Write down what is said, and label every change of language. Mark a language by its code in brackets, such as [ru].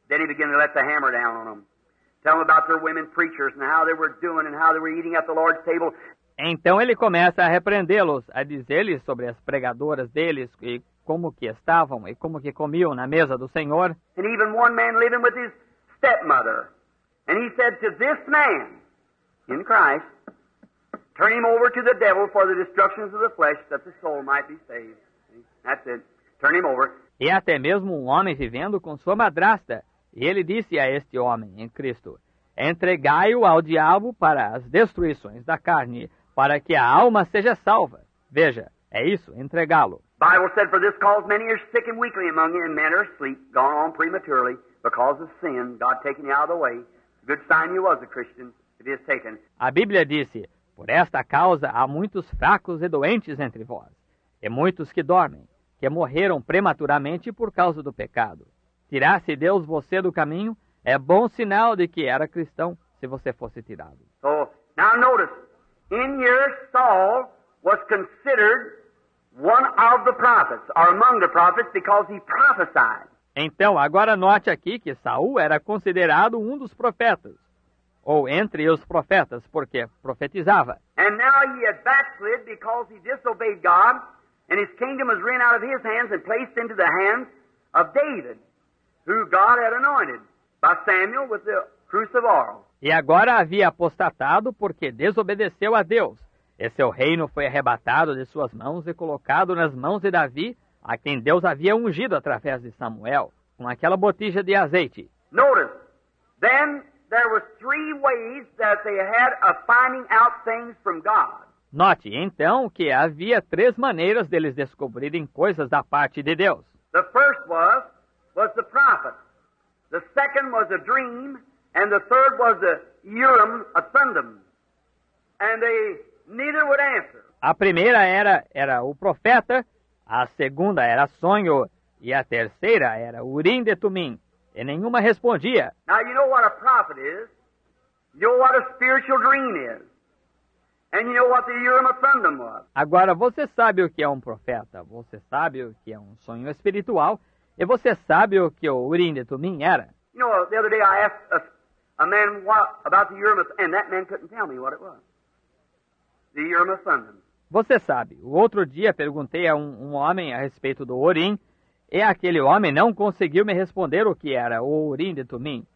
[en] Then he began to let the hammer down on them. Tell them about their women preachers and how they were doing and how they were eating at the Lord's table. [pt] Então ele começa a repreendê-los, a dizer-lhes sobre as pregadoras deles e como que estavam e como que comiam na mesa do Senhor. [en] And even one man living with his stepmother. And he said to this man in Christ, turn him over to the devil for the destruction of the flesh that the soul might be saved. That's it. Turn him over. [pt] E até mesmo um homem vivendo com sua madrasta. E ele disse a este homem em Cristo, entregai-o ao diabo para as destruições da carne, para que a alma seja salva. Veja, é isso, entregá-lo. [en] Bible said, for this cause many are sick and weakly among you, and men are asleep, gone on prematurely, because of sin, God taking you out of the way. Good sign you was a Christian, it is taken. [pt] A Bíblia disse, por esta causa há muitos fracos e doentes entre vós, e muitos que dormem, que morreram prematuramente por causa do pecado. Tirasse Deus você do caminho, é bom sinal de que era cristão se você fosse tirado. [en] So, now notice, in here Saul was considered one of the prophets, or among the prophets, because he prophesied. [pt] Então, agora note aqui que Saul era considerado um dos profetas, ou entre os profetas, porque profetizava. [en] And now he had backslid because he disobeyed God, and his kingdom was ran out of his hands and placed into the hands of David, who God had anointed by Samuel with the cruse of oil. [pt] E agora havia apostatado porque desobedeceu a Deus. E seu reino foi arrebatado de suas mãos e colocado nas mãos de Davi, a quem Deus havia ungido através de Samuel, com aquela botija de azeite. [en] Notice, then there were three ways that they had of finding out things from God. [pt] Note, então, que havia três maneiras deles descobrirem coisas da parte de Deus. [en] The first was the prophet. The second was a dream. And the third was the Urim, a Thummim. And they neither would answer. [pt] A primeira era o profeta, a segunda era sonho, e a terceira era Urim de Tumim. E nenhuma respondia. [en] Now you know what a prophet is. You know what a spiritual dream is. And you know what the Urim and Thummim was. [pt] Agora, você sabe o que é um profeta, você sabe o que é um sonho espiritual, e você sabe o que o Urim de Tumim era. [en] You know, the other day I asked a man what, about the Urim, and that man couldn't tell me what it was. The Urim and Thummim. [pt] Você sabe, o outro dia perguntei a um homem a respeito do Urim, e aquele homem não conseguiu me responder o que era o Urim de Tumim.